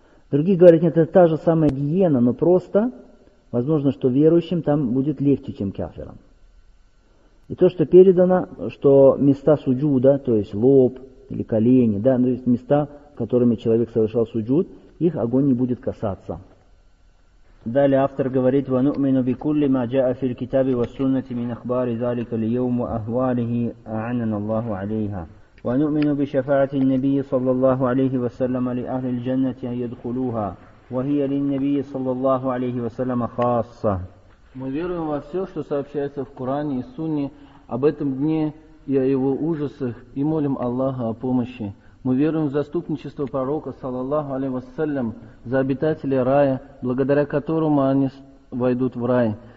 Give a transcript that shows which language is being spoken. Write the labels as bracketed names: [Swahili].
[Russian] Другие говорят, нет, это та же самая гиена, но просто, возможно, что верующим там будет легче, чем кяферам. И то, что передано, что места суджуда, то есть лоб или колени, да, то есть места, которыми человек совершал суджуд, их огонь не будет касаться. Далее автор говорит: [Arabic] وَنُؤْمِنُ بِكُلِّ مَا جَاءَ فِي الْكِتَابِ وَالسُّنَّةِ مِنْ أَخْبَارِ ذَلِكَ الْيَوْمِ وَأَهْوَالِهِ أَعَانَنَا اللَّهُ عَلَيْهَا وَنُؤْمِنُ بِشَفَاعَةِ النَّبِيِّ صَلَّى اللَّهُ عَلَيْهِ وَسَلَّمَ لِأَهْلِ الْجَنَّةِ أَنْ يَدْخُلُوهَا وَهِيَ لِلنَّبِيِّ صَلَّى اللَّهُ عَلَيْهِ وَسَلَّمَ خَاصَّةٌ. [Russian] Мы веруем во все, что сообщается в Коране и Сунне об этом дне и о его ужасах, и молим Аллаха о помощи. Мы веруем в заступничество пророка, [Arabic] саллаллаху алейхи вассалям, [Russian] за обитателей рая, благодаря которому они войдут в рай.